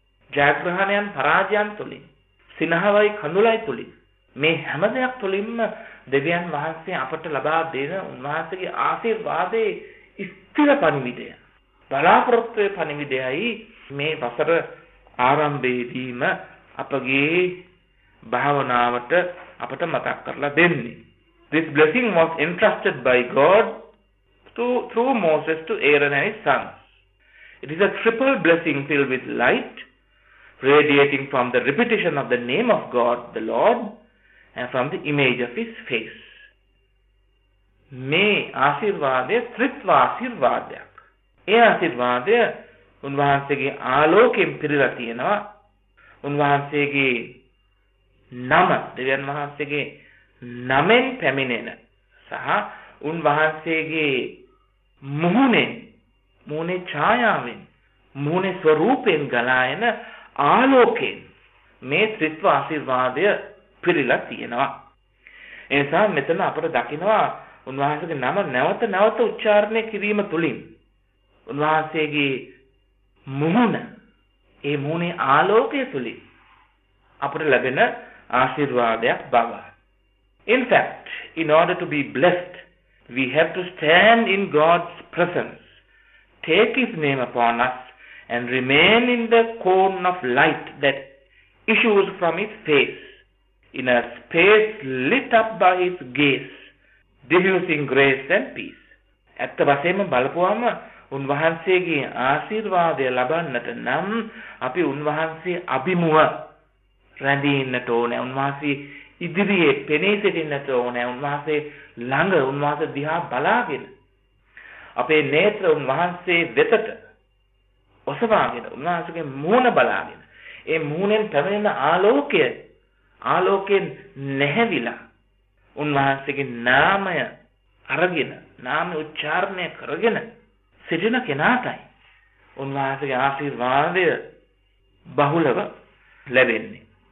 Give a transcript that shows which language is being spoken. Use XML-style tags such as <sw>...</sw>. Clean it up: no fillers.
<si>ජයග්‍රහණයන් පරාජයන් තුළින්, සිනහවයි කඳුලයි තුළින්, මේ හැම දෙයක් තුළින්ම දෙවියන් වහන්සේ අපට ලබා දෙන උන්වහන්සේගේ ආශිර්වාදයේ ස්ථිර පණිවිඩය, බලාපොරොත්තුවේ පණිවිඩයයි මේ වසර ආරම්භයේදීම අපගේ භාවනාවට අපට මතක් කරලා දෙන්නේ.</si> <en>This blessing was entrusted by God through Moses to Aaron and his sons. It is a triple blessing filled with light, radiating from the repetition of the name of God, the Lord, and from the image of his face.</en> <si>මේ ආශිර්වාදය ත්‍රිත්ව ආශිර්වාදයක්. ඒ ආශිර්වාදය උන්වහන්සේගේ ආලෝකයෙන් පිරීලා තියෙනවා. උන්වහන්සේගේ නම, දෙවියන් වහන්සේගේ නමෙන් පැමිණෙන සහ උන්වහන්සේගේ මුහුණෙන්, මුහුණේ ඡායාවෙන්, මුහුණේ ස්වරූපයෙන් ගලා එන ආලෝකයෙන් මේ ත්‍රිත්ව ආශිර්වාදය පිරීලා තියෙනවා. එනිසා මෙතන අපට දකිනවා උන්වහන්සේගේ නම නැවත නැවත උච්චාරණය කිරීම තුළින් උන්වහන්සේගේ මුහුණ, ඒ මුහුණේ ආලෝකය තුළින් අපට ලැබෙන ආශිර්වාදයක් බව.</si> <en>In fact, in order to be blessed, we have to stand in God's presence, take His name upon us, and remain in the cone of light that issues from His face, in a space lit up by His gaze, diffusing grace and peace.</en> <si>ඇත්ත වශයෙන්ම බලපුවාම උන්වහන්සේගේ ආශිර්වාදය ලබන්නට නම් අපි උන්වහන්සේ අභිමුව රැඳී ඉන්නට ඕනේ. උන්වහන්සේ ඉදිරියේ පෙනී සිටින්නට ඕනේ. උන්වහන්සේ ළඟ, උන්වහන්සේ දිහා බලාගෙන අපේ නේත්‍ර උන්වහන්සේ වෙතට ඔසවාගෙන උන්වහන්සේගේ මූණ බලාගෙන ඒ මූණෙන් පැමිණෙන ආලෝකය, ආලෝකයෙන් නැහැවිලා උන්වහන්සේගේ නාමය අරගෙන, නාමය උච්චාරණය කරගෙන සිටින කෙනාටයි උන්වහන්සේගේ ආශිර්වාදය බහුලව ලැබෙන්නේ.</si>